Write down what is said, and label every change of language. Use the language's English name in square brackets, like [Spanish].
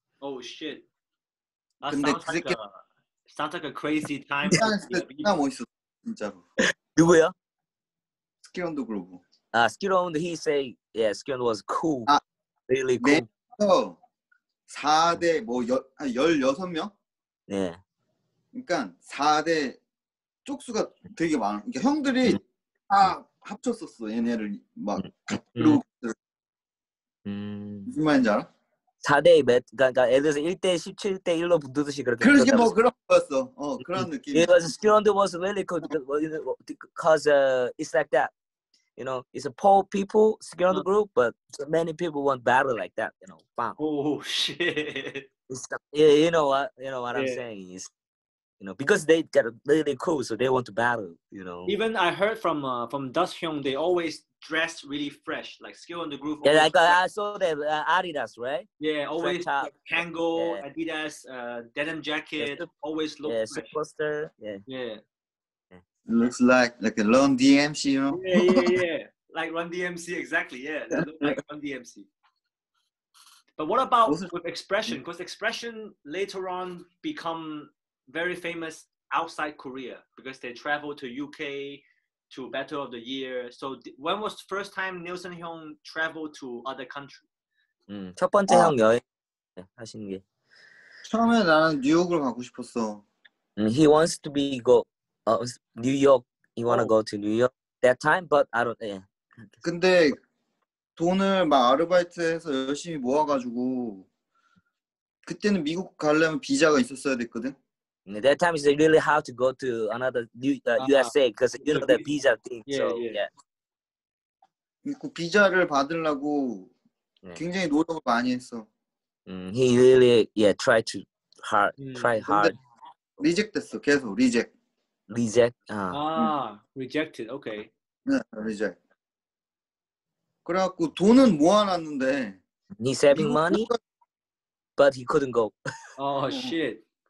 [English] Oh shit. That sounds like a crazy time. Yeah, [Korean] 진짜 멋있어 진짜로. 누구야? [English] Skid on the Groove. Skid on the, he say, yeah, Skid was cool, really cool. [Korean] 네, 4대 뭐 16명? 네. 그러니까 4대 쪽수가 되게 많아. 그러니까 형들이 다 합쳤었어, 얘네를 막 그룹. 무슨 말인지 알아? 4대 몇, 그러니까 예를 들어서 1대 17대 1로 붙듯이 그렇게. 그렇게 뭐 그런 거였어. 어, 그런 느낌. [English] It was, Skid was really cool, because it's like that. You know, it's a poor people, scared of the group, but many people want battle like that, you know. Bam. Oh, shit. Yeah, you know what I'm saying is, you know, because they got really cool, so they want to battle, you know. Even I heard from Dust Hyung, they always dress really fresh, like scared of the group. Yeah, like I saw that Adidas, right? Yeah, always Kango, yeah. Adidas, denim jacket, yeah, always look yeah, fresh. Superstar, yeah. Yeah. Looks like a Run DMC, you know? Yeah. Like Run DMC, exactly, yeah. Like Run DMC. But what about with Expression? Because Expression later on become very famous outside Korea because they travel to UK to Battle of the Year. So when was the first time Neil Sun Hyung traveled to other country? [Korean] 첫 번째 형 여행 하신 게. 처음에 나는 뉴욕을 가고 싶었어. [English] He wants to be go. New York. You wanna go to New York that time, but I don't. Yeah. [Korean] 근데 돈을 막 아르바이트해서 열심히 모아가지고 그때는 미국 가려면 비자가 있었어야 됐거든. [English] That time is really hard to go to another USA because you know the visa thing. Yeah, so, yeah. [Korean] 그 비자를 받으려고 굉장히 노력을 많이 했어. [English] He really yeah tried to hard try hard. [Korean] 근데 리젝트했어 계속 리젝트. [English] Rejected. Okay. [Korean] 네, reject. 그래갖고 돈은 모아놨는데. [English] He saving money, but he couldn't go. Oh shit.